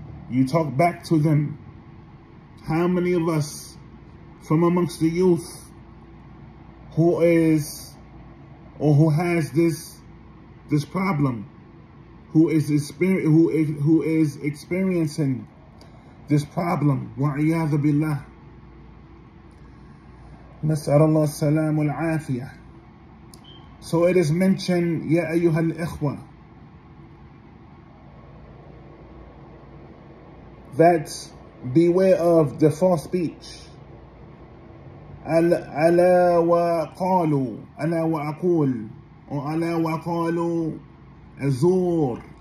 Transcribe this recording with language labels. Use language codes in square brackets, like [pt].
[en] You talk back to them. How many of us from amongst the youth who is or who has this problem? Who is experiencing this problem? [ar] وعياذ بالله. نسأل الله السلام والعافية. [en] So it is mentioned, [ar] يا أيها الإخوة, [en] that beware of the false speech. [ar] ألا وقالوا, ألا وأقول, or ألا وقالوا الزور.